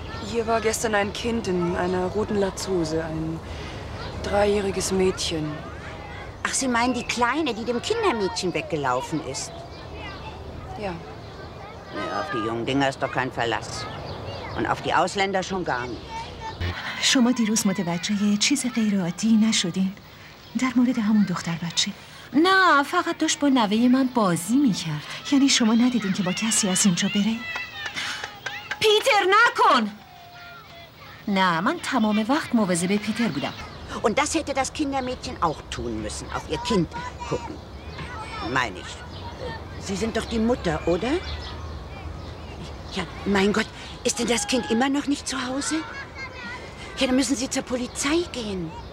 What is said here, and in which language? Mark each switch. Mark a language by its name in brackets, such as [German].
[German] Hier war gestern ein Kind in einer roten Latzhose, ein dreijähriges Mädchen. Ach, Sie meinen die Kleine, die dem Kindermädchen weggelaufen ist? Ja. Ja, auf die jungen Dinger ist doch kein Verlass. Und auf die Ausländer schon gar nicht. [Persian] شما دیروز متوجه چیز غیرعادی نشدین در مورد همون دختر بچه؟ نه، فقط داشت با نوه من بازی میکرد. یعنی شما ندیدین که با کسی از اینجا بره؟ پیتر نکن! نه، من تمام وقت مواظب پیتر بودم. [German] و das hätte das Kindermädchen auch tun müssen, auf ihr Kind gucken. Meine ich. Sie sind doch die Mutter, oder? Ja, mein Gott, ist denn das Kind immer noch nicht zu Hause? Ja, dann müssen Sie zur Polizei gehen.